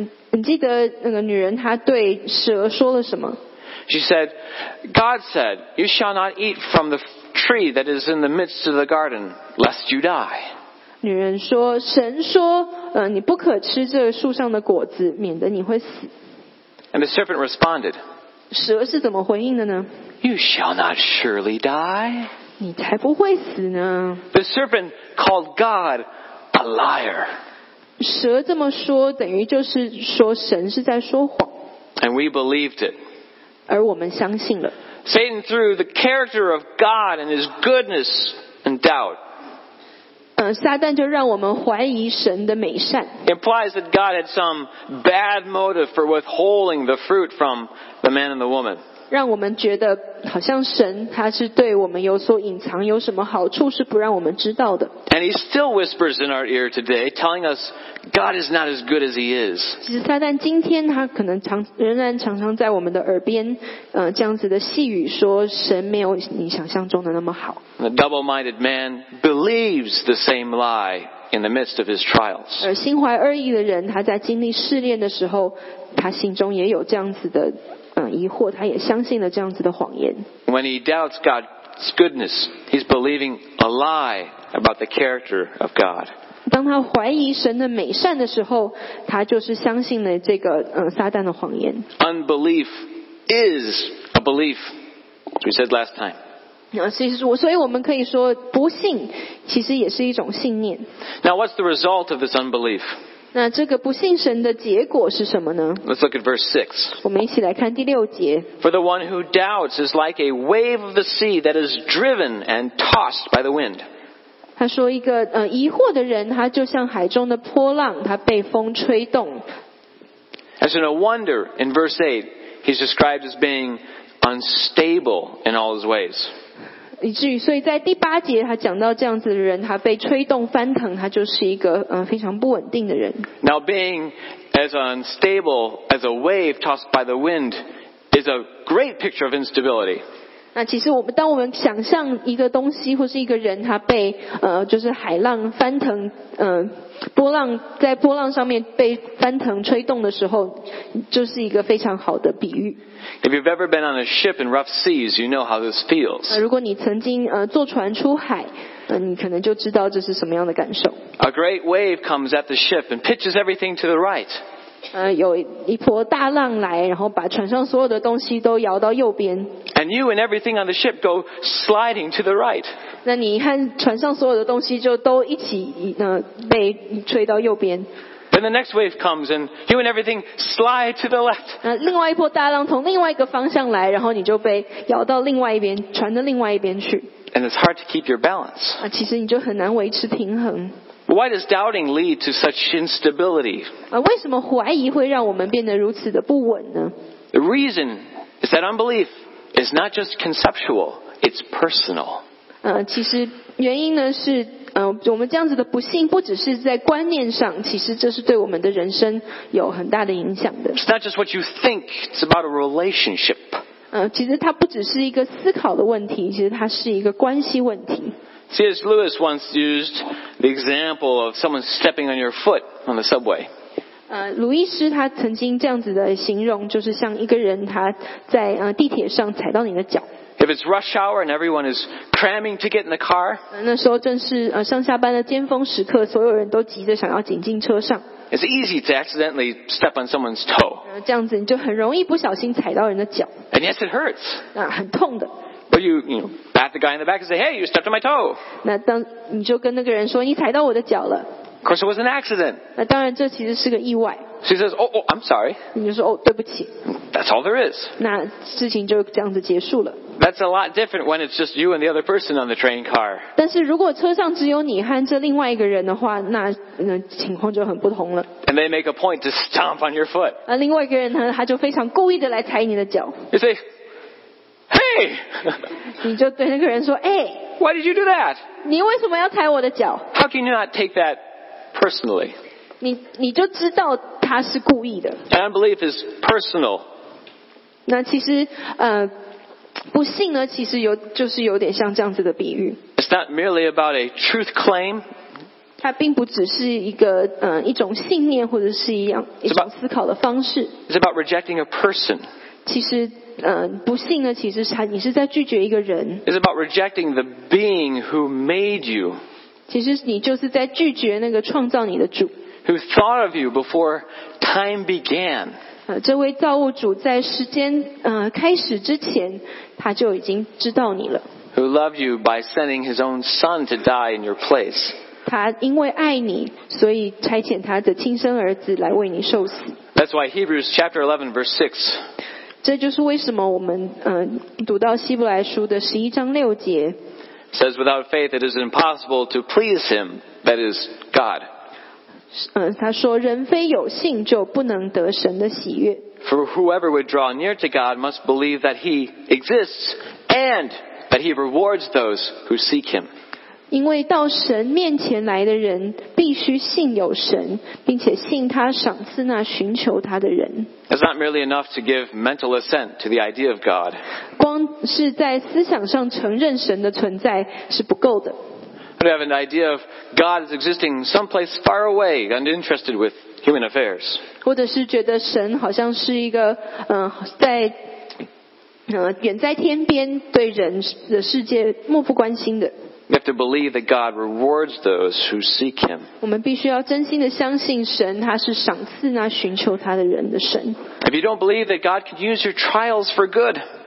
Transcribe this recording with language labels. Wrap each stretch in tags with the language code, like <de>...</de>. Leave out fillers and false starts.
<zh>你记得那个女人她对蛇说了什么</zh> <en>She said, God said, you shall not eat from the tree that is in the midst of the garden, lest you die.</en> <zh>女人说，神说，你不可吃这树上的果子，免得你会死。</zh> <en>And the serpent responded,</en> <zh>蛇是怎么回应的呢？</zh> <en>You shall not surely die.</en> <zh>你才不会死呢。</zh> <en>The serpent called God a liar.</en> <zh>蛇这么说，等于就是说神是在说谎。</zh> <en>And we believed it.</en> <zh>而我们相信了。</zh> <en>Satan threw the character of God and His goodness in doubt.</en> <zh>撒旦就让我们怀疑神的美善。</zh> <en>Implies that God had some bad motive for withholding the fruit from the man and the woman.</en> <zh>让我们觉得好像神他是对我们有所隐藏，有什么好处是不让我们知道的。</zh> <en>And He still whispers in our ear today, telling us. God is not as good as He is.</en> <zh>其实撒旦今天他可能仍然常常在我们的耳边，这样子的细语说神没有你想象中的那么好。</zh> <en>The double-minded man believes the same lie in the midst of his trials.</en> <zh>而心怀恶意的人，他在经历试炼的时候，他心中也有这样子的疑惑，他也相信了这样子的谎言。</zh> <en>When he doubts God's goodness, he's believing a lie about the character of God.</en> <zh>当他怀疑神的美善的时候，他就是相信了这个撒旦的谎言。</zh> <en>Unbelief is a belief, we said last time.</en> <zh>所以我们可以说，不信其实也是一种信念。</zh> <en>Now, what's the result of this unbelief?</en> <zh>那这个不信神的结果是什么呢</zh> <en>？Let's look at verse 6.</en> <zh>我们一起来看第六节。</zh> <en>For the one who doubts is like a wave of the sea that is driven and tossed by the wind.</en> <zh>他说一个疑惑的人他就像海中的波浪他被风吹动。</zh> <en>As in a wonder, in verse 8, he's described as being unstable in all his ways.</en> <zh>以至于所以在第八节他讲到这样子的人他被吹动翻腾他就是一个非常不稳定的人。</zh> <en>Now being as unstable as a wave tossed by the wind is a great picture of instability.</en> <zh>那其实我们当我们想象一个东西或是一个人他被就是海浪翻腾波浪在波浪上面被翻腾吹动的时候就是一个非常好的比喻。</zh> <en>If you've ever been on a ship in rough seas, you know how this feels.</en> <zh>如果你曾经坐船出海你可能就知道这是什么样的感受。</zh> <en>A great wave comes at the ship and pitches everything to the right.</en> <zh>有一波大浪来然后把船上所有的东西都摇到右边</zh> <en>and you and everything on the ship go sliding to the right</en> <zh>那你和船上所有的东西就都一起被吹到右边</zh> <en>then the next wave comes and you and everything slide to the left</en> <zh>另外一波大浪从另外一个方向来然后你就被摇到另外一边船的另外一边去</zh> <en>and it's hard to keep your balance</en> <zh>其实你就很难维持平衡</zh> <en>Why does doubting lead to such instability?</en> <zh>为什么怀疑会让我们变得如此的不稳呢</zh> <en>？The reason is that unbelief is not just conceptual; it's personal.</en> <zh>其实原因呢是我们这样子的不信不只是在观念上，其实这是对我们的人生有很大的影响的。</zh> <en>It's not just what you think; it's about a relationship.</en> <zh>其实它不只是一个思考的问题，其实它是一个关系问题。</zh> <en>C.S. Lewis once used the example of someone stepping on your foot on the subway.</en> <zh>鲁伊斯他曾经这样子的形容，就是像一个人他在地铁上踩到你的脚。</zh> <en>If it's rush hour and everyone is cramming to get in the car,</en> <zh>那时候正是上下班的尖峰时刻，所有人都急着想要挤进车上。</zh> <en>It's easy to accidentally step on someone's toe.</en> <zh>这样子你就很容易不小心踩到人的脚。</zh> <en>And yes, it hurts.</en> <zh>那很痛的。</zh> <en>But you bat the guy in the back and say, "Hey, you stepped on my toe."</en> <zh>那当你就跟那个人说，你踩到我的脚了。</zh> <en>Of course, it was an accident.</en> <zh>那当然，这其实是个意外。</zh> <en>She says, "Oh, I'm sorry."</en> <zh>你就说，哦，对不起。</zh> <en>That's all there is.</en> <zh>那事情就这样子结束了。</zh> <en>That's a lot different when it's just you and the other person on the train car.</en> <zh>但是如果车上只有你和这另外一个人的话，那情况就很不同了。</zh> <en>And they make a point to stomp on your foot.</en> <zh>那另外一个人呢，他就非常故意的来踩你的脚。</zh> <en>You say, "Hey!"</en> <zh>你就对那个人说，哎。</zh> <en>Why did you do that?</en> <zh>你为什么要踩我的脚？</zh> <en>How can you not take that? Personally,</en> <zh>你就知道他是故意的。</zh> <en>And unbelief is personal.</en> <zh>那其实不信呢，其实有点像这样子的比喻。</zh> <en>It's not merely about a truth claim.</en> <zh>它并不只是一个一种信念或者是一种思考的方式。</zh> <en>It's about rejecting a person.</en> <zh>其实不信呢，其实你是在拒绝一个人。</zh> <en>It's about rejecting the being who made you.</en> <zh>其实你就是在拒绝那个创造你的主。</zh> <en>Who thought of you before time began？</en> <zh>这位造物主在时间开始之前，他就已经知道你了。</zh> <en>Who loved you by sending his own son to die in your place？</en> <zh>他因为爱你，所以差遣他的亲生儿子来为你受死。</zh> <en>That's why Hebrews chapter 11 verse 6。</en> <zh>这就是为什么我们读到希伯来书的十一章六节。</zh> <en>Says without faith it is impossible to please him, that is God.</en> <zh>他说人非有信就不能得神的喜悦。</zh> <en>For whoever would draw near to God must believe that he exists and that he rewards those who seek him.</en> <zh>因为到神面前来的人必须信有神，并且信他赏赐那寻求他的人。</zh> <en>It's not merely enough to give mental assent to the idea of God.</en> <zh>光是在思想上承认神的存在是不够的。</zh> <en>But you have an idea of God is existing someplace far away, uninterested with human affairs.</en> <zh>或者是觉得神好像是一个在远在天边，对人的世界漠不关心的。</zh> <en>We have to believe that God rewards those who seek Him.</en> <zh>我们必须要真心的相信神，他是赏赐那寻求他的人的神。</zh> <en>If you don't believe that God can use your trials for good,</en>